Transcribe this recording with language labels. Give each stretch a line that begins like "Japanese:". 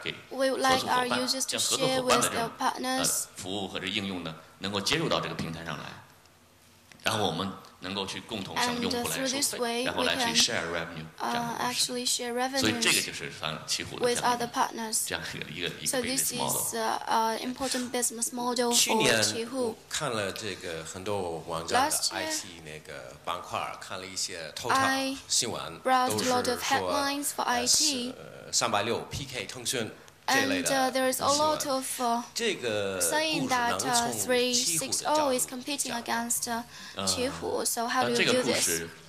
English: We would like our users to share with their partners,
Chinese: 服务或者应用呢，能够接入到这个平台上来。然后我们能够去共同向用户来收费，然后来去
English: share revenue，
Chinese: 这样的方式。所以这个就是算奇虎的这样的一个business model。
English: So this is an important business model for Qihoo。
Chinese: 去年看了这个很多网站的 IT 那个板块，看了一些头条新闻，
English: browsed a lot of headlines for IT。
Chinese: 360 PK 腾讯。
English: And there is a lot of saying that 360 is competing against Qihoo. So how do you do this?